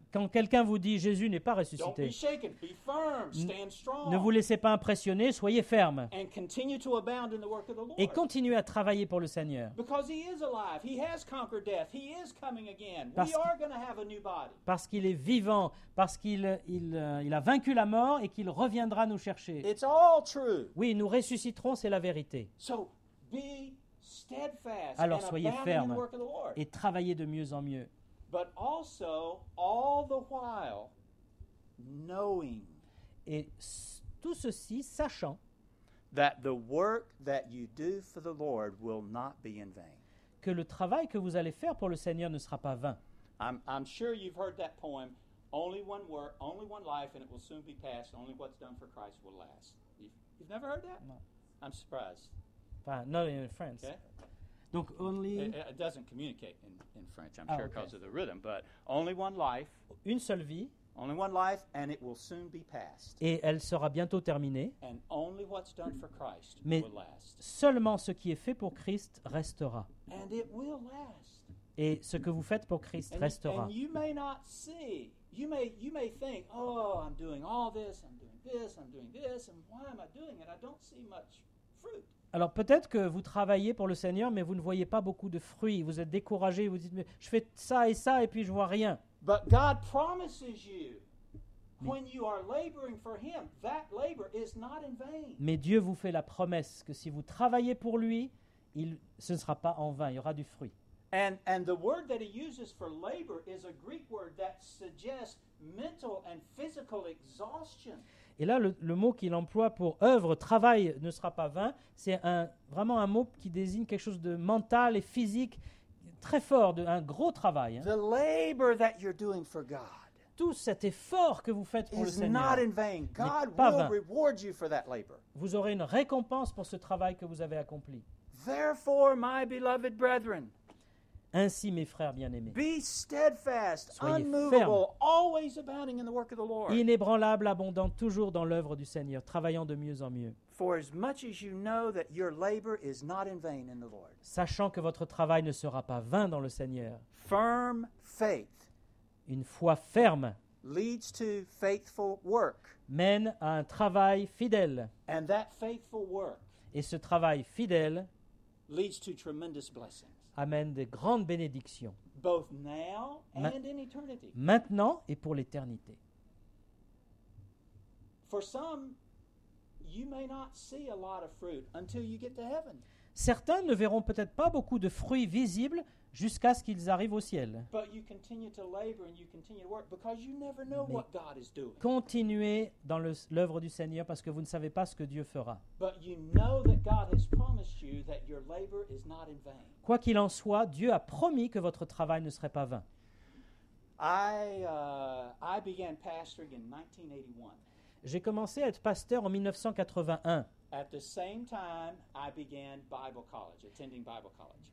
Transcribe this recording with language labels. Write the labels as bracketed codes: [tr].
[fr] quand quelqu'un vous dit Jésus n'est pas ressuscité, [en] don't be shaken, be firm, stand strong. [fr] Ne vous laissez pas impressionner, soyez ferme. [en] And continue to abound in the work of the Lord. [fr] Et continuez à travailler pour le Seigneur. [en] Because he is alive, he has conquered death, he is coming again. Have a new body. [fr] Parce qu'il est vivant, parce qu'il a vaincu la mort et qu'il reviendra nous chercher. [en] It's all true. [fr] Oui, nous ressusciterons, c'est la vérité. [en] So, be steadfast. [fr] Alors soyez ferme [en] in the work of the Lord. [fr] Et travaillez de mieux en mieux. [en] But also, all the while, knowing. [fr] Et tout ceci sachant [en] that the work that you do for the Lord will not be in vain. [fr] Que le travail que vous allez faire pour le Seigneur ne sera pas vain. [en] I'm sure you've heard that poem, only one work, only one life, and it will soon be passed. Only what's done for Christ will last. You've never heard that? No. I'm surprised. But not in France. Okay. Donc only it doesn't communicate in French, I'm sure, because of the rhythm, but only one life. [fr] Une seule vie. [en] Only one life, and it will soon be passed. [fr] Et elle sera bientôt terminée. [en] And only what's done for Christ [fr] Mais [en] will last. [fr] Seulement ce qui est fait pour Christ restera. [en] And it will last. [fr] Et ce que vous faites pour Christ restera. [en] And you may not see. You may think, oh, I'm doing all this, I'm doing this, I'm doing this, and why am I doing it? I don't see much fruit. [fr] Alors peut-être que vous travaillez pour le Seigneur, mais vous ne voyez pas beaucoup de fruits. Vous êtes découragé, vous dites, mais je fais ça et ça, et puis je ne vois rien. [en] But God promises you, when you are laboring for him, that labor is not in vain. [fr] Mais Dieu vous fait la promesse que si vous travaillez pour lui, ce ne sera pas en vain, il y aura du fruit. [en] And the word that he uses for labor is a Greek word that suggests mental and physical exhaustion. [fr] Et là, le mot qu'il emploie pour œuvre, travail, ne sera pas vain, c'est vraiment un mot qui désigne quelque chose de mental et physique très fort, un gros travail. [en] The labor that you're doing for God, [fr] tout cet effort que vous faites pour [en] is [fr] le Seigneur, [en] not in vain. God [fr] pas [en] will [fr] vain. [en] Reward you for that labor. [fr] Vous aurez une récompense pour ce travail que vous avez accompli. [en] Therefore, my beloved brethren, [fr] ainsi, mes frères bien-aimés, [en] be steadfast, [fr] soyez [en] unmovable, [fr] fermes, [en] always abounding in the work of the Lord. [fr] Inébranlable, abondant, toujours dans l'œuvre du Seigneur, travaillant de mieux en mieux. [en] For as much as you know that your labor is not in vain in the Lord. [fr] Sachant que votre travail ne sera pas vain dans le Seigneur. [en] Firm faith. [fr] Une foi ferme. [en] Leads to faithful work. [fr] Mène à un travail fidèle. [en] And that faithful work. [fr] Et ce travail fidèle. [en] Leads to tremendous blessings. [fr] Amène de grandes bénédictions. [en] Both now and in eternity. [fr] Maintenant et pour l'éternité. [en] For some, you may not see a lot of fruit until you get to heaven. [fr] Certains ne verront peut-être pas beaucoup de fruits visibles jusqu'à ce qu'ils arrivent au ciel. [en] But you continue to labor and you continue to work because you never know [fr] Mais [en] what God is doing. [fr] Continuez dans l'œuvre du Seigneur parce que vous ne savez pas ce que Dieu fera. [en] But you know that God has promised you that your labor is not in vain. [fr] Quoi qu'il en soit, Dieu a promis que votre travail ne serait pas vain. [en] I began pastoring in 1981. [fr] J'ai commencé à être pasteur en 1981. [en] At the same time, I began Bible college, attending Bible college.